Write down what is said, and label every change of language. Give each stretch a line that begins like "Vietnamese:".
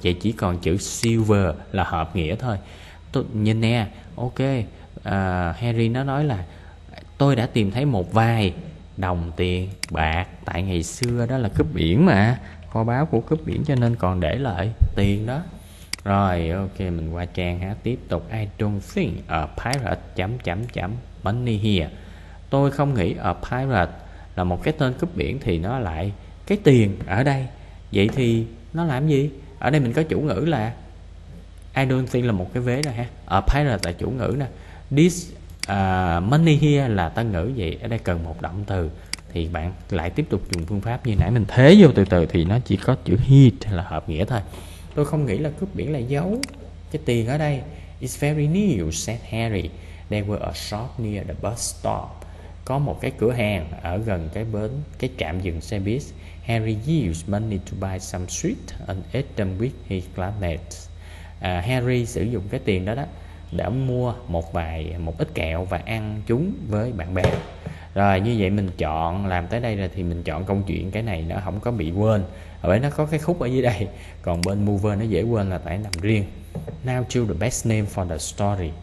Vietnamese: Vậy chỉ còn chữ silver là hợp nghĩa thôi. Tôi nhìn nè, ok, Harry nó nói là tôi đã tìm thấy một vài đồng tiền bạc. Tại ngày xưa đó là cướp biển mà, kho báu của cướp biển cho nên còn để lại tiền đó. Rồi ok, mình qua trang ha. Tiếp tục,
English: I don't think a pirate money here.
Vietnamese: Tôi không nghĩ a pirate là một cái tên cướp biển thì nó lại cái tiền ở đây. Vậy thì nó làm gì? Ở đây mình có chủ ngữ là
English: I don't think
Vietnamese: là một cái vế rồi ha. A pirate là chủ ngữ nè.
English: This money here
Vietnamese: là tân ngữ. Vậy ở đây cần một động từ. Thì bạn lại tiếp tục dùng phương pháp như nãy mình thế vô từ từ thì nó chỉ có chữ hit là hợp nghĩa thôi. Tôi không nghĩ là cướp biển lại giấu cái tiền ở đây.
English: It's very new, said Harry. There were a shop near the bus stop.
Vietnamese: Có một cái cửa hàng ở gần cái bến, cái trạm dừng xe bus.
English: Harry used money to buy some sweets and ate them with his classmates.
Vietnamese: Harry sử dụng cái tiền đó đó để mua một ít kẹo và ăn chúng với bạn bè. Rồi như vậy mình chọn, làm tới đây rồi thì mình chọn câu chuyện. Cái này nó không có bị quên bởi nó có cái khúc ở dưới đây. Còn bên mover nó dễ quên là tại nằm riêng.
English: Now choose the best name for the story.